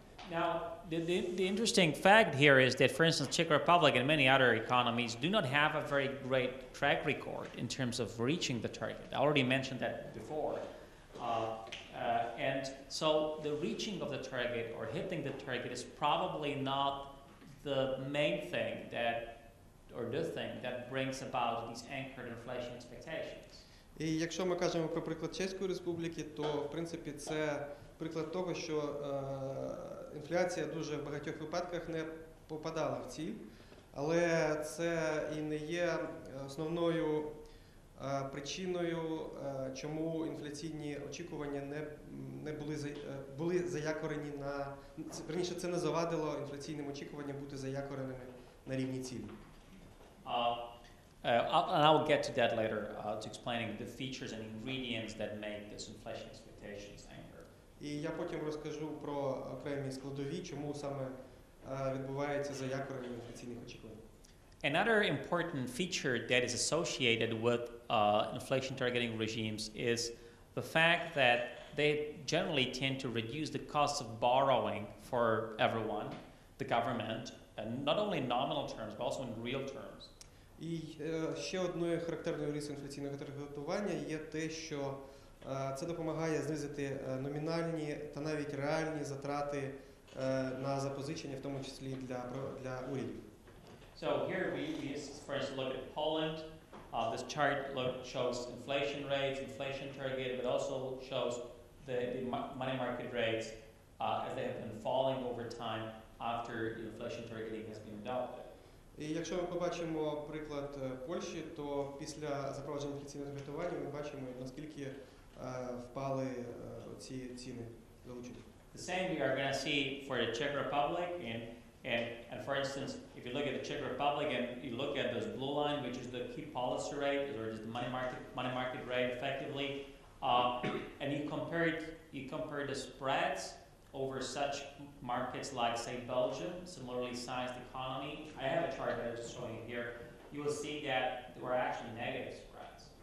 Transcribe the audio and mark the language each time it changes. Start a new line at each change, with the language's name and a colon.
English: Now, the interesting fact here is that, for instance, Czech Republic and many other economies do not have a very great track record in terms of reaching the target. I already mentioned that before. And so the reaching of the target or hitting the target is probably not the main thing that, or the thing that brings about these anchored inflation expectations.
Ukrainian: І якщо ми кажемо про приклад Чеської Республіки, то, в принципі, це приклад того, що інфляція дуже в багатьох випадках не попадала в ціль, але це і не є основною причиною, чому інфляційні очікування не були заякорені на... Верніше, це не завадило інфляційним очікуванням бути заякореними на рівні цілі.
English: And I will get to that later, to explaining the features and ingredients that make this inflation expectations anchor.
Ukrainian: І я потім розкажу про окремі складові, чому саме відбувається заякорення інфляційних очікувань.
English: Another important feature that is associated with inflation targeting regimes is the fact that they generally tend to reduce the cost of borrowing for everyone, the government, and not only in nominal terms, but also in real terms.
Ukrainian: І ще одною характерною рисою інфляційного таргетування є те, що це допомагає знизити номінальні та навіть реальні затрати на запозичення, в тому числі для урядів.
English: So here we first look at Poland. This chart shows inflation rates, inflation target, but also shows the money market rates as they have been falling over time after the inflation targeting has been adopted.
Ukrainian: І якщо ми побачимо приклад Польщі, то після запровадження інфляційного таргетування ми бачимо, наскільки впали ці ціни залучені.
English: The same we are going to see for the Czech Republic and for instance, if you look at the Czech Republic and you look at this blue line, which is the key policy rate, or just the money market rate effectively, and you compare the spreads over such markets like, say, Belgium, similarly sized economy, I have a chart that I'm showing you here, you will see that there were actually negative spreads.